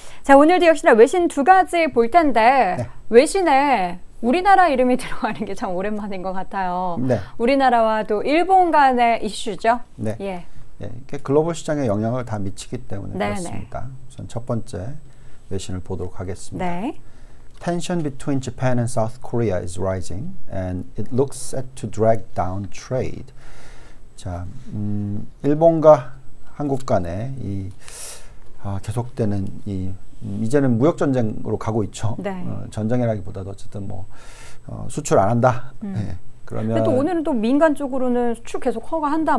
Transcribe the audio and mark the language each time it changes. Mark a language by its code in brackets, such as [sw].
[ko] 자, 오늘도 역시나 외신 두 가지 볼 텐데, 네. 외신에 우리나라 이름이 들어가는 게 참 오랜만인 것 같아요. 네. 우리나라와 또 일본 간의 이슈죠. 네. 예. 네, 글로벌 시장에 영향을 다 미치기 때문에 네네. 그렇습니까? 우선 첫 번째 외신을 보도록 하겠습니다. 네. [en] Tension between Japan and South Korea is rising, and it looks set to drag down trade. [ko] 자, 일본과 한국 간의 이 계속되는 이 이제는 무역 전쟁으로 가고 있죠. 네. 전쟁이라기보다도 어쨌든 뭐 수출 안 한다. 네. 그러면 또 오늘은 또 민간 쪽으로는 수출 계속 허가한다.